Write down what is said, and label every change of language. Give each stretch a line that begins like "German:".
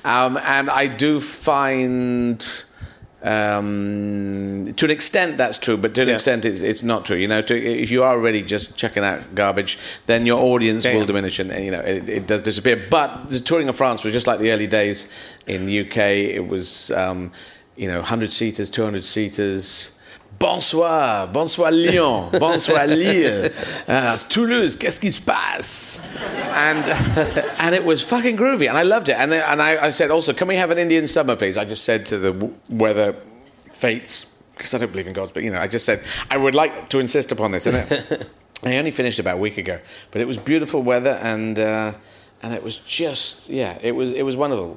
English: And I do find, to an extent, that's true, but to an extent, it's not true. You know, if you are already just chucking out garbage, then your audience will diminish, and you know, it does disappear. But the touring of France was just like the early days in the UK. It was, 100 seaters, 200 seaters.
French: Bonsoir Lyon, bonsoir Lille, Toulouse, qu'est-ce qui se passe?
English: And it was fucking groovy, and I loved it. And then, and I said, also, can we have an Indian summer, please? I just said to the weather fates, because I don't believe in gods, but, you know, I just said, I would like to insist upon this, isn't it? I only finished about a week ago, but it was beautiful weather, and it was just, yeah, it was wonderful.